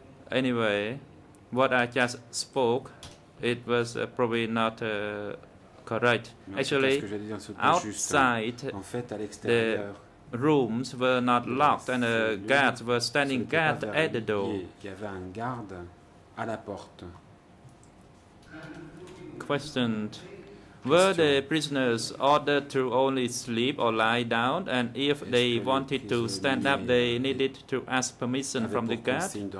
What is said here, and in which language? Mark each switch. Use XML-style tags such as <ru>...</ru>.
<en>Anyway, what I just spoke, it was probably not correct.</en> <fr>Mais</fr> <en>actually, outside the rooms were not locked and guards were standing guard at the door.</en> <fr>Il y avait un garde à la porte.</fr> <en>Questioned. Were the prisoners ordered to only sleep or lie down, and if they wanted to stand up, they needed to ask permission from the guard?</en>